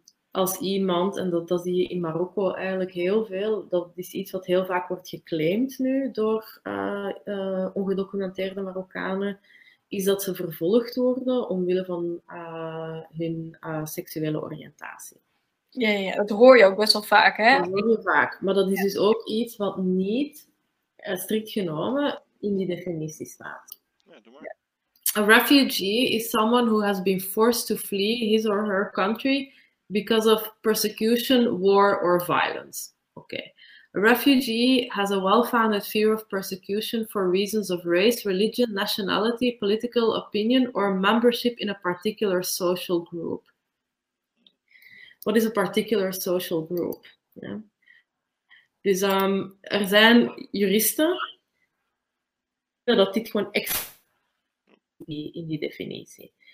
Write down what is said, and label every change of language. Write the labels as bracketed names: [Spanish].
[Dutch] Als iemand, en dat zie je in Marokko eigenlijk heel veel, dat is iets wat heel vaak wordt geclaimd nu door ongedocumenteerde Marokkanen, is dat ze vervolgd worden omwille van hun seksuele oriëntatie. Ja, ja, dat hoor je ook best wel vaak, hè? Dat hoor je vaak. Maar dat is dus ook iets wat niet strikt genomen in die definitie staat. Ja, doe maar. [English] A refugee is someone who has been forced to flee his or her country because of persecution, war or violence. Okay. A refugee has a well-founded fear of persecution for reasons of race, religion, nationality, political opinion or membership in a particular social group. What is a particular social group? Yeah. [Dutch] Dus er zijn juristen dat dit gewoon in die definitie.